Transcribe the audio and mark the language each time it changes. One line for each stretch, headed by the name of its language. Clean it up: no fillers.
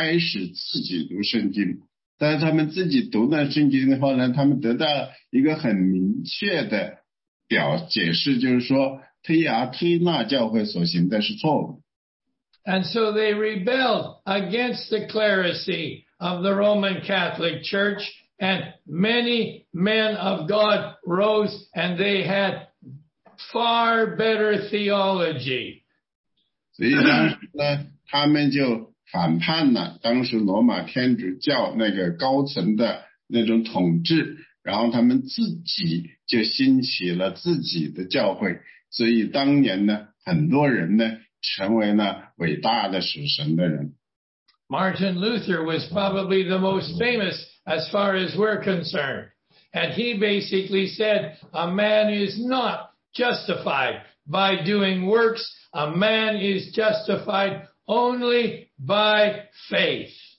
Chinese: 其实呢，这个历史上发生的是在很多年推亚推那教会以后，结束以后，很多人呢，他们就开始自己读圣经。但是他们自己读了圣经的话呢，他们得到一个很明确的解释，就是说，推亚推那教会所行的是错误的。And
English: so they rebelled against the clerisy of the Roman Catholic Church, and many men of God rose, and they had far better theology.
Chinese: 所以当时呢，他们就 反叛了当时罗马天主教那个高层的那种统治，然后他们自己就兴起了自己的教会，所以当年呢，很多人呢成为了伟大的属神的人。Martin
English: Luther was probably the most famous as far as we're concerned, and he basically said a man is not justified by doing works; a man is justified only by faith.